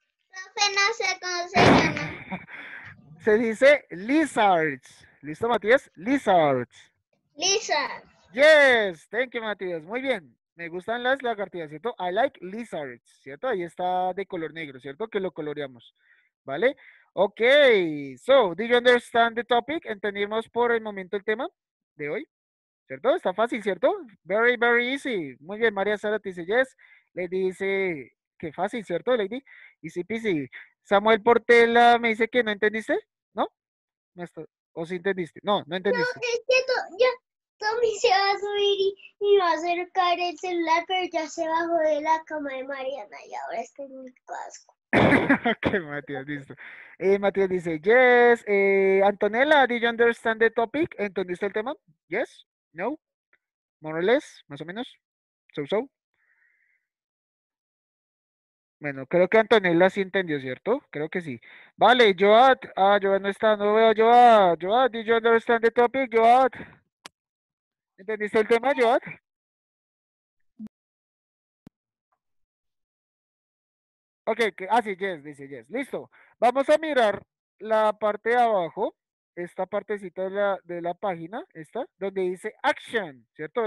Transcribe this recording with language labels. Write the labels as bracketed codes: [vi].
[es] Profe, no sé cómo se llama. Se dice lizards. ¿Listo, Matías? Lizards. [en] Lizards. Yes. Thank you, Matías. [es] Muy bien. Me gustan las lagartijas, ¿cierto? [en] I like lizards, [es] ¿cierto? Ahí está de color negro, ¿cierto? Que lo coloreamos. ¿Vale? [en] Ok, so, do you understand the topic? [es] ¿Entendimos por el momento el tema de hoy? ¿Cierto? Está fácil, ¿cierto? [en] Very, very easy. [es] Muy bien, María Sara te dice yes. Le dice que fácil, ¿cierto, Lady? [en] Easy peasy. [es] Samuel Portela me dice que no entendiste, ¿no? No está, ¿o sí entendiste? No, no entendiste. No, es que Tommy se va a subir y va a acercar el celular, pero ya se bajó de la cama de Mariana y ahora está en el casco. Ok, Matías, listo. Matías dice, yes. [en] Antonella, did you understand the topic? [es] ¿Entendiste el tema? [en] Yes, no, more or less, [es] más o menos. [en] So. [es] Bueno, creo que Antonella sí entendió, ¿cierto? Creo que sí. Vale, Joad, Joad no está, no veo a Joad. [en] Joad, did you understand the topic, Joad? [es] ¿Entendiste el tema, Joad? Ok, así, yes, dice yes, listo. Vamos a mirar la parte de abajo, esta partecita de la página, esta, donde dice action, ¿cierto?